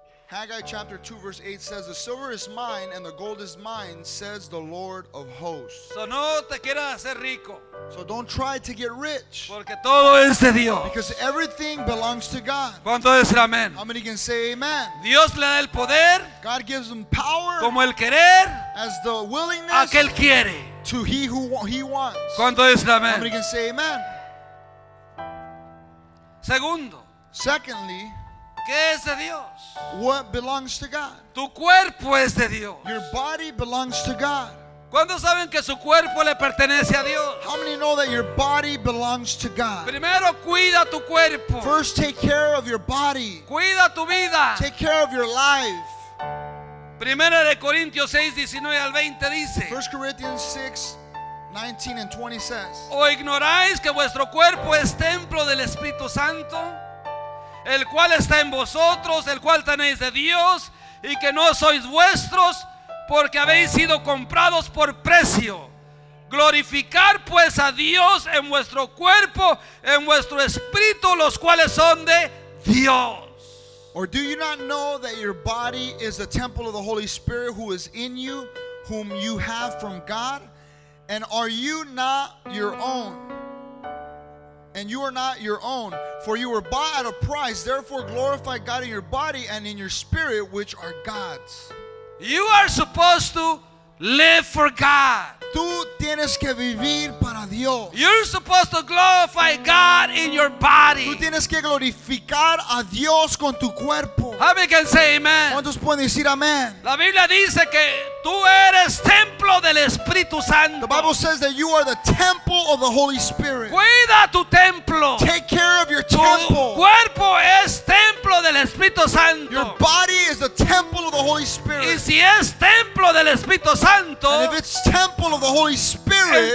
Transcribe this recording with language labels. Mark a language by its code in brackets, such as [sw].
[en] Haggai chapter 2 verse 8 says, the silver is mine and the gold is mine, says the Lord of hosts. [es] So, no te quieras hacer rico. [en] So don't try to get rich. [es] Porque todo es de Dios. [en] Because everything belongs to God. [es] ¿Cuánto dice amén? [en] How many can say amen? [es] Dios le da el poder. [en] God gives him power. [es] Como el querer. [en] As the willingness. [es] Aquel quiere. [en] To he who he wants. [es] ¿Cuánto dice amén? [en] How many can say amen? [es] Segundo. [en] Secondly. [es] ¿Qué es de Dios? [en] What belongs to God? [es] Tu cuerpo es de Dios. [en] Your body belongs to God. [es] ¿Cuántos saben que su cuerpo le pertenece a Dios? [en] How many know that your body belongs to God? [es] Primero cuida tu cuerpo. [en] First take care of your body. [es] Cuida tu vida. [en] Take care of your life. [es] Primera de Corintios 6:19-20 dice, [en] 1 Corinthians 6:19-20 says, [es] ¿o ignoráis que vuestro cuerpo es templo del Espíritu Santo, el cual está en vosotros, el cual tenéis de Dios, y que no sois vuestros, porque habéis sido comprados por precio? Glorificar pues a Dios en vuestro cuerpo, en vuestro espíritu, los cuales son de Dios. [en] Or do you not know that your body is the temple of the Holy Spirit who is in you, whom you have from God? And are you not your own? And you are not your own, for you were bought at a price. Therefore glorify God in your body and in your spirit, which are God's. You are supposed to live for God. [es] Tú tienes que vivir para Dios. [en] You're supposed to glorify God in your body. [es] Tú tienes que glorificar a Dios con tu cuerpo. [en] How many can say amen? [es] ¿Cuántos pueden decir amén? La Biblia dice que tú eres templo del Espíritu Santo. [en] The Bible says that you are the temple of the Holy Spirit. [es] Cuida tu templo. [en] Take care of your temple. [es] Tu cuerpo es templo del Espíritu Santo. [en] Your body is the temple of the Holy Spirit. [es] Y si es templo templo del Espíritu Santo, [en] and if it's temple of the Holy Spirit,